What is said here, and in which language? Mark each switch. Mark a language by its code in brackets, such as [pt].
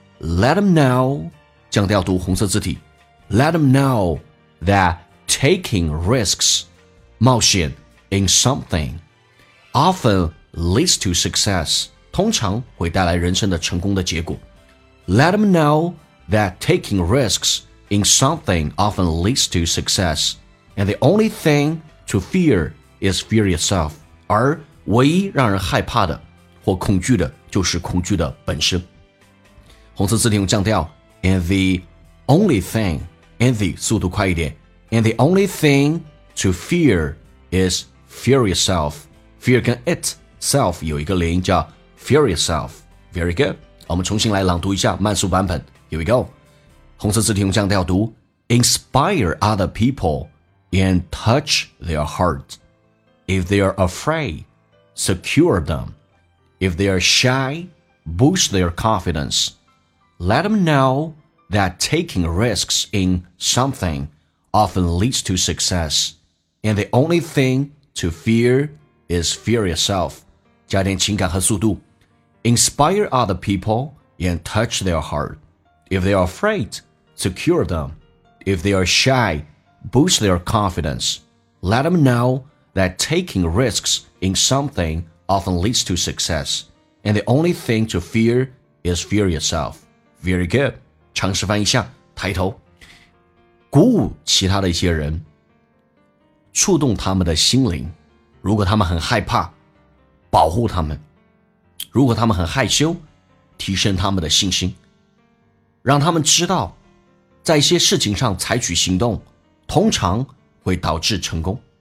[en] Let them know [zh] 降调读红色字体。 [en] Let them know that taking risks [zh] 冒险 [en] in something often leads to success [zh] 通常会带来人生的成功的结果。 [en] Let them know that taking risks in something often leads to success, and the only thing to fear is fear itself. [zh] 而唯一让人害怕的或恐惧的就是恐惧的本身。红色字体用降调 [en] And the only thing And the [zh] 速度快一点 [en] And the only thing to fear is fear yourself. [zh] Fear 跟 it self 有一个连音，叫 fear yourself. [en] Very good. [zh] 我们重新来朗读一下慢速版本。 [en] Here we go. [zh] 红色字体用降调读 [en] Inspire other people and touch their heartIf they are afraid, secure them. If they are shy, boost their confidence. Let them know that taking risks in something often leads to success. And the only thing to fear is fear yourself. [zh] 加点情感和速度。 [en] Inspire other people and touch their heart. If they are afraid, secure them. If they are shy, boost their confidence. Let them knowThat taking risks in something often leads to success. And the only thing to fear is fear yourself. Very good. [zh] 尝试翻一下，抬头。鼓舞其他的一些人，触动他们的心灵。如果他们很害怕，保护他们。如果他们很害羞，提升他们的信心。让他们知道，在一些事情上采取行动，通常会导致成功。